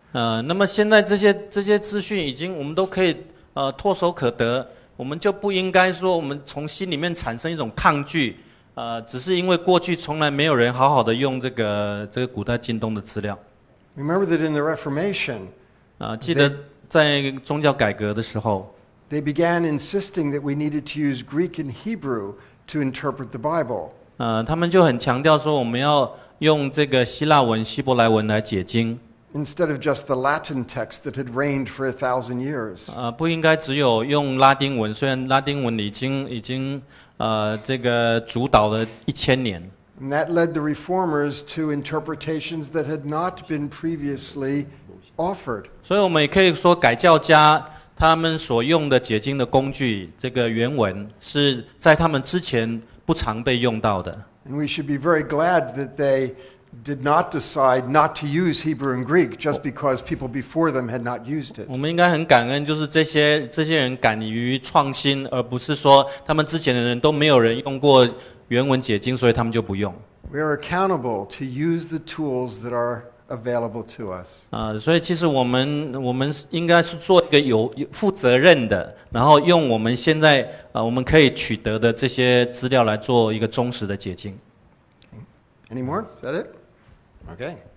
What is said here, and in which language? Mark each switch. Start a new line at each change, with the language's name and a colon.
Chinese: 那么现在这些资讯已经我们都可以。唾手可得，我们就不应该说我们从心里面产生一种抗拒，只是因为过去从来没有人好好的用这个古代近东的资料。
English: Remember that in the Reformation,
Chinese: 记得在宗教改革的时候
English: ，they began insisting that we needed to use Greek and Hebrew to interpret the Bible.
Chinese: 他们就很强调说我们要用这个希腊文、希伯来文来解经。
English: Instead of just the Latin text that had reigned for 1,000 years.
Chinese: 不应该只有用拉丁文，虽然拉丁文已经这个主导了1000年。
English: And that led the reformers to interpretations that had not been previously offered.
Chinese: 所以我们也可以说，改教家他们所用的解经的工具，这个原文是在他们之前不常被用到的。
English: And we should be very glad that they did not decide not to use Hebrew and Greek just because people before them had not used it.
Chinese: 我们应该很感恩，就是这些人敢于创新，而不是说他们之前的人都没有人用过原文解经，所以他们就不用。
English: We are accountable to use the tools that are available to us.
Chinese: 所以其实我们应该是做一个有负责任的，然后用我们现在我们可以取得的这些资料来做一个忠实的解经。
English: Any more? Is that it? Okay.